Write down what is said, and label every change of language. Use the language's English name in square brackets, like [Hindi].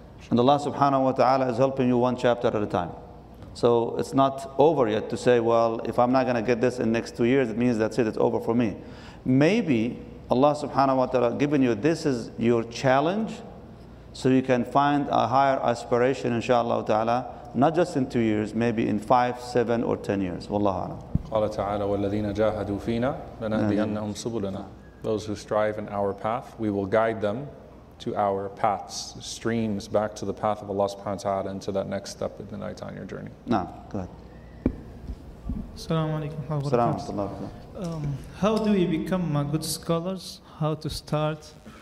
[English] And Allah subhanahu wa ta'ala is helping you one chapter at a time. So it's not over yet to say, well, if I'm not going to get this in the next 2 years, it means that's it, it's over for me. Maybe Allah subhanahu wa ta'ala given you, this is your challenge, so you can find a higher aspiration, inshallah ta'ala, not just in 2 years, maybe in 5, 7, or 10 years. Wallahu a'lam. [Arabic] Qala ta'ala, وَالَّذِينَ جَاهَدُوا فِينَا لَنَهْدِيَنَّهُمْ سُبُلَنَا. [English] Those who strive in our path, we will guide them to our paths, streams back to the path of Allah subhanahu wa ta'ala and to that next step at the night on your journey. Now, go ahead. Assalamu alaikum. Assalamu alaikum. How do we become good scholars? How to start?